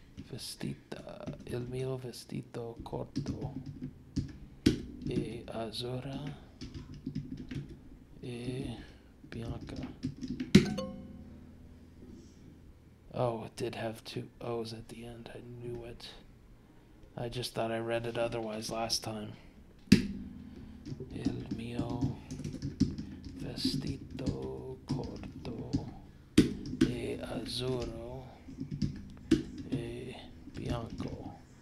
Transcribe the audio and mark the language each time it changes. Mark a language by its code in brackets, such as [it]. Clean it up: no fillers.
[it] Vestita, il mio vestito corto e azzurra e bianca. [en] Oh, it did have two O's at the end. I knew it. I just thought I read it otherwise last time. [it] Il mio vestito corto e azzurro e bianco.